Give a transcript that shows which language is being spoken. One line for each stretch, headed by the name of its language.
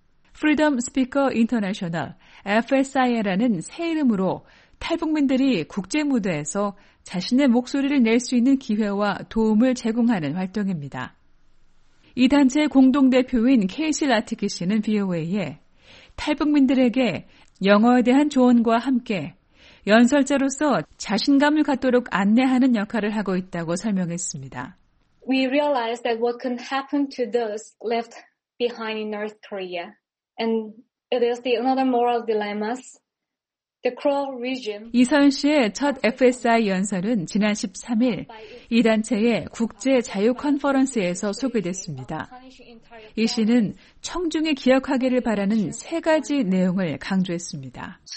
Korean: Freedom Speaker International, FSIR라는 새 이름으로 탈북민들이 국제무대에서 자신의 목소리를 낼 수 있는 기회와 도움을 제공하는 활동입니다. 이 단체의 공동대표인 케이시 라티키 씨는 VOA에 탈북민들에게 영어에 대한 조언과 함께 연설자로서 자신감을 갖도록 안내하는 역할을 하고 있다고 설명했습니다.
English: We realize that what can happen to those left behind in North Korea. And it is another moral dilemma. The cruel regime.
Korean: 이선 씨의 첫 FSI 연설은 지난 13일 이 단체의 국제 자유 컨퍼런스에서 소개됐습니다. 이 씨는 청중이 기억하기를 바라는 세 가지 내용을 강조했습니다.